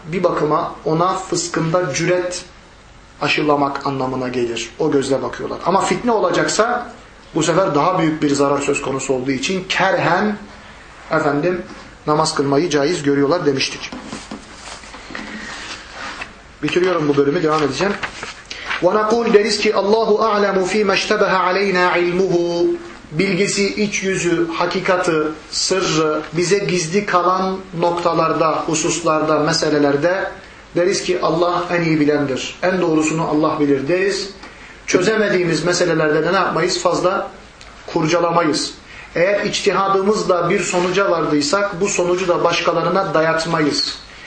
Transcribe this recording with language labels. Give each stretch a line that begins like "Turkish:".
Turkish: Bir bakıma ona fıskında cüret aşılamak anlamına gelir. O gözle bakıyorlar. Ama fitne olacaksa bu sefer daha büyük bir zarar söz konusu olduğu için kerhen efendim namaz kılmayı caiz görüyorlar demiştik. Bitiriyorum bu bölümü, devam edeceğim.
Arabic: وَنَقُولْ
Turkish: deriz ki
Arabic: اللّٰهُ أَعْلَمُ ف۪ي مَشْتَبَهَ عَلَيْنَا عِلْمُهُ
Turkish: bilgisi, iç yüzü, hakikati, sırrı, bize gizli kalan noktalarda, hususlarda, meselelerde deriz ki Allah en iyi bilendir. En doğrusunu Allah bilir deriz. Çözemediğimiz meselelerde de ne yapmayız? Fazla kurcalamayız. Eğer içtihadımızla bir sonuca vardıysak bu sonucu da başkalarına dayatmayız.